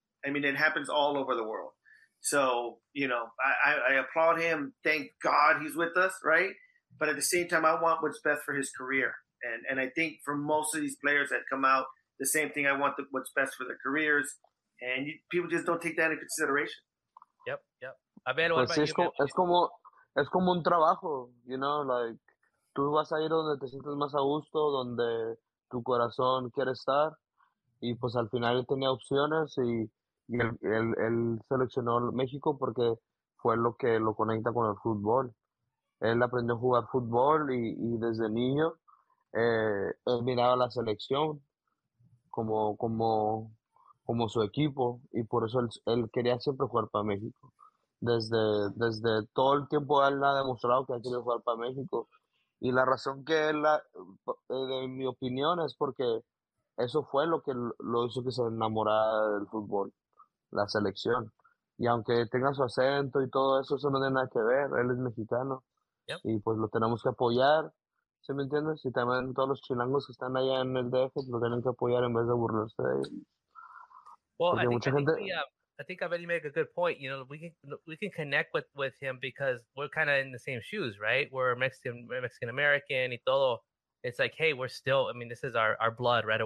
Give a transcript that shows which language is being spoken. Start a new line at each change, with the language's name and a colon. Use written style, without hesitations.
English: I mean, it happens all over the world. So, you know, I applaud him. Thank God he's with us, right? But at the same time, I want what's best for his career. And I think for most of these players that come out, the same thing, I want what's best for their careers. And people just don't take that into consideration. Yep.
Spanish: Abel, what pues about es you? Es como un trabajo,
English: you know? Like,
Spanish: tú vas a ir donde te sientes más a gusto, donde tu corazón quiere estar. Y pues al final él tenía opciones y él seleccionó México porque fue lo que lo conecta con el fútbol. Él aprendió a jugar fútbol y desde niño él miraba a la selección como su equipo y por eso él quería siempre jugar para México. Desde todo el tiempo él ha demostrado que ha querido jugar para México y la razón que él, en mi opinión, es porque eso fue lo que lo hizo que se enamorara del fútbol, la selección. Y aunque tenga su acento y todo eso, eso no tiene nada que ver, él es mexicano.
English: Yep.
Spanish: Y pues lo tenemos que apoyar, ¿sí me entiendes? Y también todos los chilangos que están allá en el DF lo tienen que apoyar en vez de burlarse de ellos.
English: I think Abel, you make a good point. You know, we can connect with him because we're kind of in the same shoes, right? We're Mexican American
Spanish: y todo.
English: It's like, hey, we're still, I mean, this is our blood, right?